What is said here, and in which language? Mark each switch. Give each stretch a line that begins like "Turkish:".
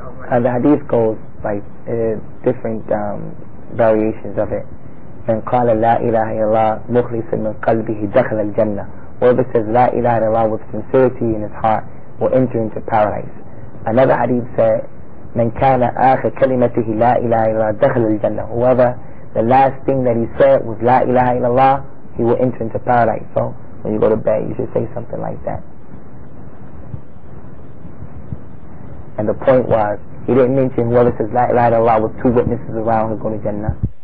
English: And the hadith goes by different variations of it.
Arabic: من قال لا إله إلا الله مخلصا من قلبه دخل الجنة.
English: Whoever says
Arabic: لا إله إلا الله
English: with sincerity in his heart will enter into paradise. Another hadith said
Arabic: من كان آخر كلمته لا إله إلا الله دخل الجنة.
English: Whoever the last thing that he said was
Arabic: لا إله إلا الله,
English: he will enter into paradise. So when you go to bed, you should say something like that. And the point was, he didn't mention whoever says la ilaha illallah with two witnesses around who's going to Jannah.